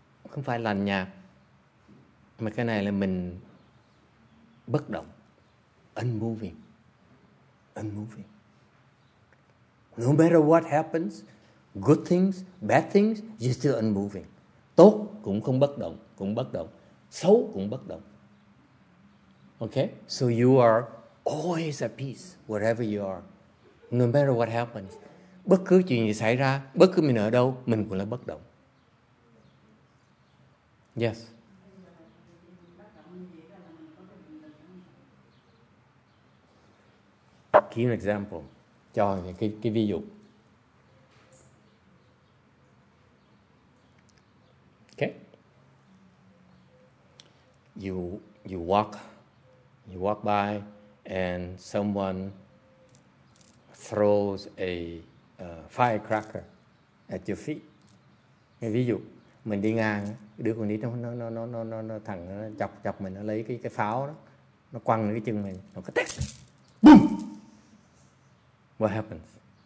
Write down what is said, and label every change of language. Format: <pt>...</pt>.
<vi>Không phải lành nhạt, mà cái này là mình bất động,</vi> <en>unmoving, unmoving. No matter what happens, good things, bad things, you're still unmoving.</en> <vi>Tốt cũng không bất động, cũng bất động. Xấu cũng bất động. Okay?</vi> <en>So you are always at peace, wherever you are. No matter what happens.</en> <vi>Bất cứ chuyện gì xảy ra, bất cứ mình ở đâu, mình cũng là bất động.</vi> <en>Yes. Give an example.</en> <vi>Cho những cái ví dụ.</vi> <en>Okay. You walk by and someone throws a firecracker at your feet.</en> <vi>Ví dụ, mình đi ngang, đứa con nít nó thằng nó chọc mình, nó lấy cái pháo đó, nó quăng cái chân mình, nó cái tét.</vi> <en>Boom. What happens?</en>